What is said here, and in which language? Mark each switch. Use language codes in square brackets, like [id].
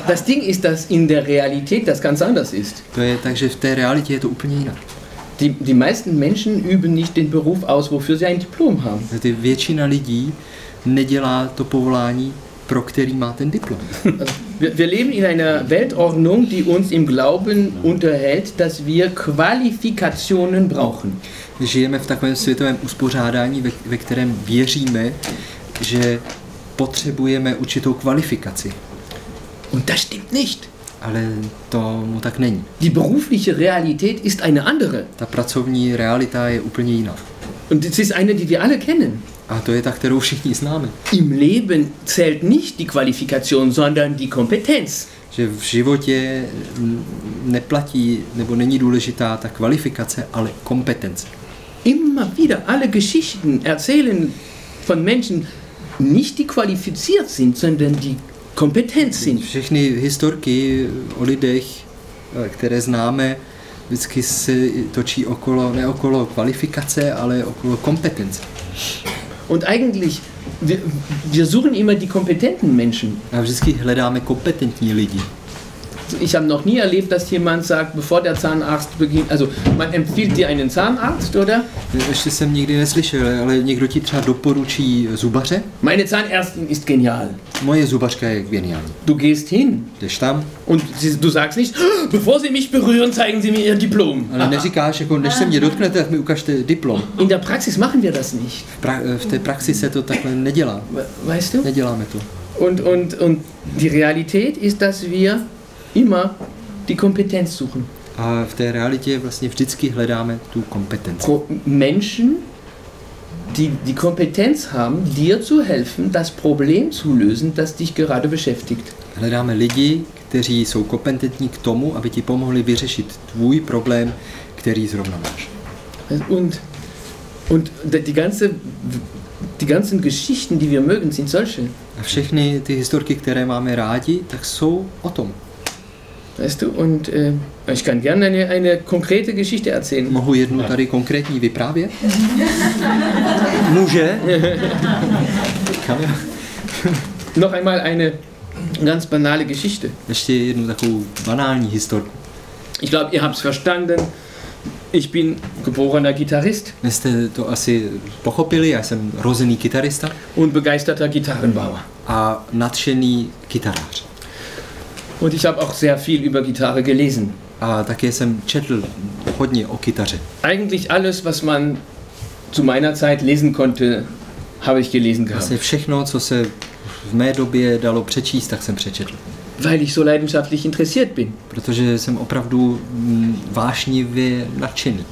[de] Das Ding ist, dass in der Realität das ganz anders ist. [cs] Takže v té realitě je to úplně jinak. [de] Die meisten Menschen üben nicht den Beruf aus, wofür sie ein Diplom haben. [cs] Die většina lidí nedělá to povolání, pro který má ten diplom. [de] Wir leben in einer Weltordnung, die uns im Glauben unterhält, dass wir Qualifikationen brauchen. [cs] Žijeme v takovém světovém uspořádání, ve kterém věříme, že potřebujeme určitou kvalifikaci. [de] Und das stimmt nicht. [cs] Ale to mu tak není. [de] Die berufliche Realität ist eine andere. [cs] Ta pracovní realita je úplně jiná. [de] Und es ist eine, die wir alle kennen. [cs] A to je ta, kterou všichni známe. [de] Im Leben zählt nicht die Qualifikation, sondern die Kompetenz. [cs] Že v životě neplatí nebo není důležitá ta kvalifikace, ale kompetence. [de] Immer wieder alle Geschichten erzählen von Menschen, nicht die qualifiziert sind, sondern die kompetent sind. [cs] Všechny historky o lidech, které známe, vždycky se točí okolo, ne okolo kvalifikace, ale okolo kompetence. [de] Und eigentlich, wir suchen immer die kompetenten Menschen. [cs] A vždycky hledáme kompetentní lidi. [de] Ich habe noch nie erlebt, dass jemand sagt, bevor der Zahnarzt beginnt, also man empfiehlt dir einen Zahnarzt, oder? [cs] Ještě jsem nikdy neslyšel, ale někdo ti třeba doporučí zubaře? [de] Meine Zahnärztin ist genial. [cs] Moje zubařka je geniální. [de] Du gehst hin. [cs] Jdeš tam. [de] Und du sagst nicht, bevor sie mich berühren, zeigen sie mir ihr Diplom. [cs] Ale neříkáš, jako než se mě dotknete, tak mi ukažte diplom. [de] In der Praxis machen wir das nicht. [cs] V té praxi se to takhle nedělá. [de] Weißt du? [cs] Neděláme to. [de] Und die Realität ist, dass wir immer die Kompetenz suchen. [cs] A v té realitě vlastně vždycky hledáme tu kompetenci. [de] Menschen, die Kompetenz haben, dir zu helfen, das Problem zu lösen, das dich gerade beschäftigt. [cs] Hledáme lidi, kteří jsou kompetentní k tomu, aby ti pomohli vyřešit tvůj problém, který zrovna máš. [de] Und die ganzen Geschichten, die wir mögen, sind solche. [cs] A všechny ty historky, které máme rádi, tak jsou o tom. [de] Weißt du, und ich kann gerne eine konkrete Geschichte erzählen. [cs] Mohu jednu tady konkrétní vyprávět? Může. [de] Kann ja. Noch einmal eine ganz banale Geschichte. [cs] Ještě jednu takovou banální historku. [de] Ich glaube, ihr habt es verstanden. Ich bin geborener Gitarrist. [cs] Jste to asi pochopili, já jsem rozený kytarista. [de] Und begeisterter Gitarrenbauer. [cs] A nadšený kytarář. [de] Und ich habe auch sehr viel über Gitarre gelesen. [cs] A také jsem četl hodně o kytaře. [de] Eigentlich alles, was man zu meiner Zeit lesen konnte, habe ich gelesen gehabt. [cs] Vlastně všechno, co se v mé době dalo přečíst, tak jsem přečetl. [de] Weil ich so leidenschaftlich interessiert bin. [cs] Protože jsem opravdu vášnivě nadšený.